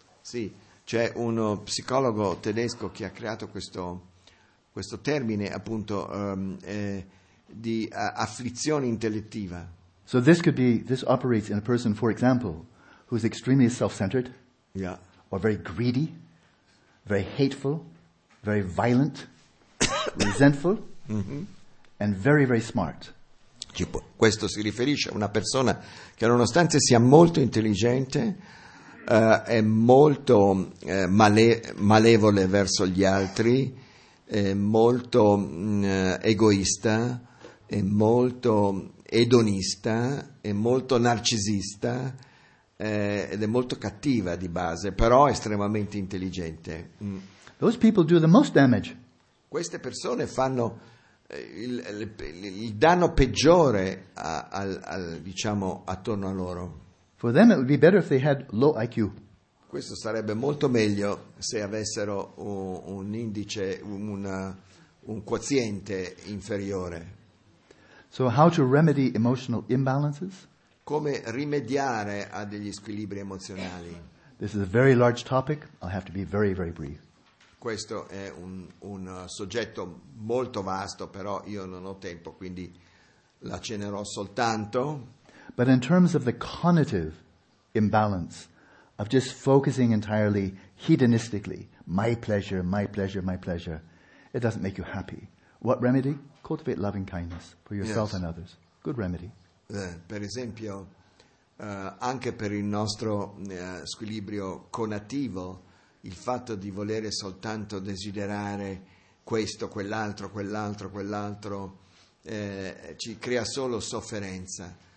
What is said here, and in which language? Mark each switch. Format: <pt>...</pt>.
<it>Sì, c'è uno psicologo tedesco che ha creato questo termine, appunto. Di afflizione intellettiva.</it> <en>So this operates in a person, for example, who is extremely self-centered, yeah, or very greedy, very hateful, very violent, resentful, mm-hmm, and very, very smart.</en> <it>Questo si riferisce a una persona che, nonostante sia molto intelligente, è molto malevole verso gli altri, è molto egoista. È molto edonista, è molto narcisista, ed è molto cattiva di base, però estremamente intelligente.</it> <en>Those people do the most damage.</en> <it>Queste persone fanno il danno peggiore attorno a loro.</it> <en>For them it would be better if they had low IQ.</en> <it>Questo sarebbe molto meglio se avessero un quoziente inferiore.</it> <en>So how to remedy emotional imbalances?</en> <it>Come rimediare a degli squilibri emozionali?</it> <en>This is a very large topic. I'll have to be very, very brief.</en> <it>Questo è un soggetto molto vasto, però io non ho tempo, quindi la accennerò soltanto.</it> <en>But in terms of the cognitive imbalance of just focusing entirely hedonistically, my pleasure, my pleasure, my pleasure, it doesn't make you happy. What remedy? Cultivate loving kindness for yourself, yes, and others. Good remedy.</en> <it>Per esempio, anche per il nostro squilibrio conativo, il fatto di volere soltanto desiderare questo, quell'altro, quell'altro, quell'altro, ci crea solo sofferenza.</it>